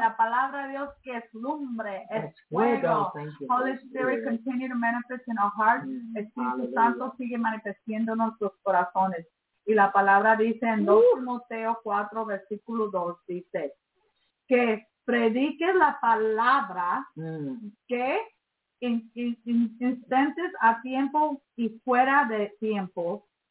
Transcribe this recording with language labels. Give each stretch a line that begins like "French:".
Spanish: La palabra de Dios que es lumbre, es fuego.
English: Holy Spirit continue to manifest in our hearts. Mm.
Spanish: Espíritu Santo sigue manifestando en nuestros corazones. Y la palabra dice en 2 Timoteo 4, versículo 2, dice que prediques la palabra que instantes a tiempo y fuera de tiempo.